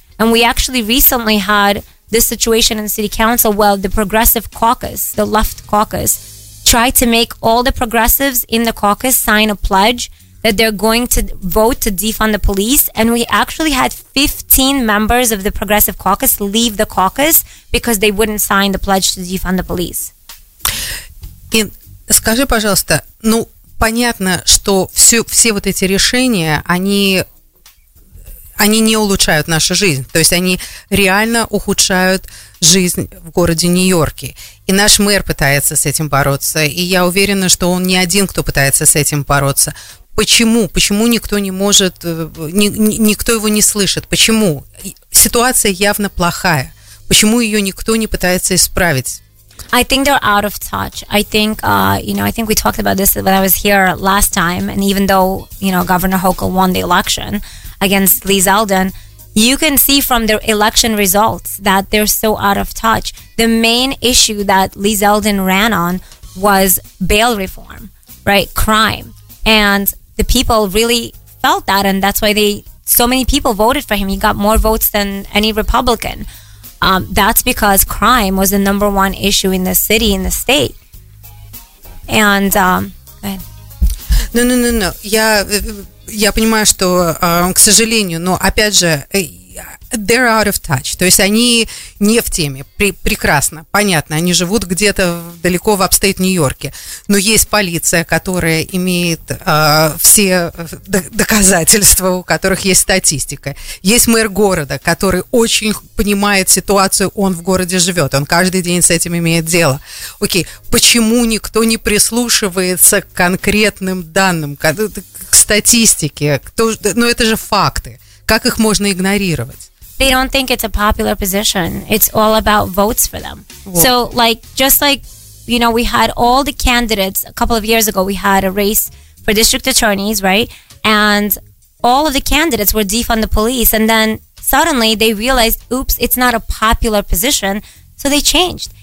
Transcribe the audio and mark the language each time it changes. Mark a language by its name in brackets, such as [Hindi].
[English] And we actually recently had this situation in the city council where the progressive caucus, the left caucus, tried to make all the progressives in the caucus sign a pledge that they're going to vote to defund the police. And we actually had 15 members of the progressive caucus leave the caucus because they wouldn't sign the pledge to defund the police. [Russian] Ин, скажи, пожалуйста, ну, понятно, что все вот эти решения, они не улучшают нашу жизнь, то есть они реально ухудшают жизнь в городе Нью-Йорке. И наш мэр пытается с этим бороться, и я уверена, что он не один, кто пытается с этим бороться. Почему? Почему никто не может, никто его не слышит? Почему? Ситуация явно плохая. Почему ее никто не пытается исправить? [English] I think they're out of touch. I think, I think we talked about this when I was here last time. And even though, you know, Governor Hochul won the election against Lee Zeldin, you can see from their election results that they're so out of touch. The main issue that Lee Zeldin ran on was bail reform, right? Crime. And the people really felt that. And that's why so many people voted for him. He got more votes than any Republican. That's because crime was the number one issue in the city, in the state. And, No. [Russian] Я понимаю, что, к сожалению, но опять же, [English] they're out of touch. [Russian] То есть они не в теме. Прекрасно, понятно. Они живут где-то далеко в апстейт Нью-Йорке. Но есть полиция, которая имеет все доказательства, у которых есть статистика. Есть мэр города, который очень понимает ситуацию, он в городе живет. Он каждый день с этим имеет дело. Окей, почему никто не прислушивается к конкретным данным, к статистике? Ну, это же факты. Как их можно игнорировать? [English] They don't think it's a popular position. It's all about votes for them. Whoa. So, like, just like, you know, we had all the candidates a couple of years ago, we had a race for district attorneys, right? And all of the candidates were defund the police. And then suddenly they realized, oops, it's not a popular position. So they changed.